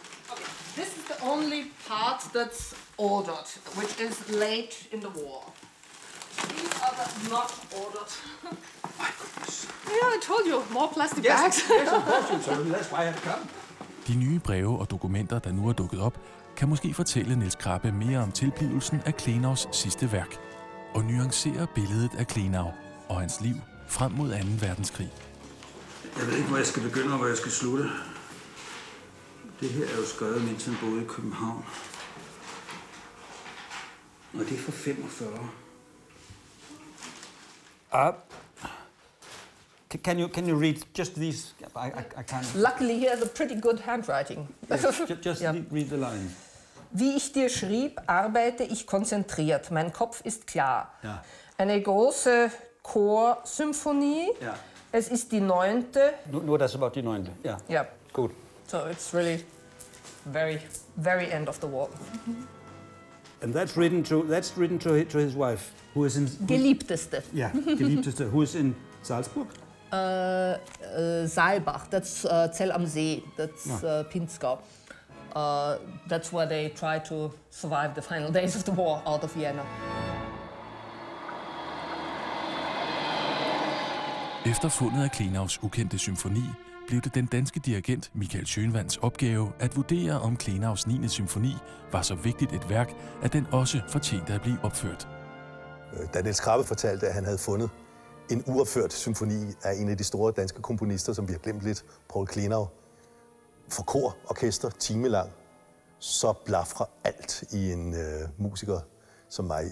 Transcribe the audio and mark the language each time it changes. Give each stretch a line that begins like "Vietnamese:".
English: Okay, this is the only part that's ordered, which is late in the war. These are the not ordered. My goodness. Yeah, I told you, more plastic yes, bags. Yes, of course, that's why I have come.
Danish: De nye breve og dokumenter, der nu er dukket op, kan måske fortælle Niels Krabbe mere om tilblivelsen af Klenaus sidste værk og nuancere billedet af Klenau og hans liv frem mod 2. verdenskrig. Jeg ved ikke, hvor jeg skal begynde og hvor jeg skal slutte. Det her er jo skrevet, mens han boede i København. Og det er fra 45.
English: Can you read just these? I can't. Luckily, he has a pretty good handwriting. Yes, just yeah. Read the line.
German: Wie ich dir schrieb, arbeite ich konzentriert. Mein Kopf ist klar.
English: Yeah.
German: Eine große Chorsymphonie.
English: Yeah.
German: Es ist die 9. Nur das about die 9. Ja. Yeah.
English: Yeah.
German: Gut.
English: So it's really very, very end of the war. And that's written to his wife, who is in
German: Geliebteste.
English: Yeah, Geliebteste, who is in Salzburg? Saalbach, that's Zell am See, that's Pinzgau. That's where they try to survive the final days of the war out of Vienna.
Danish: Efter fundet af Klenaus ukendte symfoni, blev det den danske dirigent Michael Schönwands opgave at vurdere, om Klenaus 9. symfoni var så vigtigt et værk, at den også fortjente at blive opført. Da Niels Krabbe fortalte, at han havde fundet en uopført symfoni af en af de store danske komponister, som vi har glemt lidt, Poul Klenau, for kor, orkester, timelang, så blafrer alt i en musiker som mig.